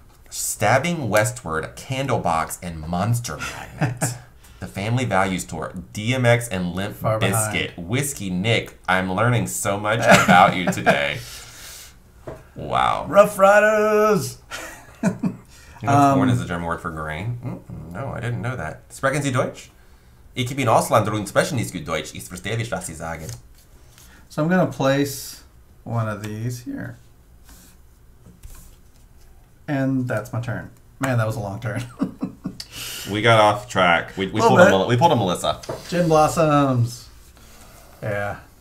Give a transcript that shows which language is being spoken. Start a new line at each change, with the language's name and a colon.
English: Stabbing Westward, Candlebox, and Monster Magnet. The Family Value Store, DMX and Limp Bizkit, Whiskey Nick. I'm learning so much about you today. Wow. Rough Riders! You know, corn is a German word for grain? Mm-mm, no, I didn't know that.
German: Sprechen Sie Deutsch? Ich bin ein Ausländer und spreche nicht gut Deutsch. Ich verstehe nicht, was Sie sagen.
English: So I'm going to place one of these here. And that's my turn. Man, that was a long turn. We got off track. We pulled a Melissa. Gin Blossoms. Yeah.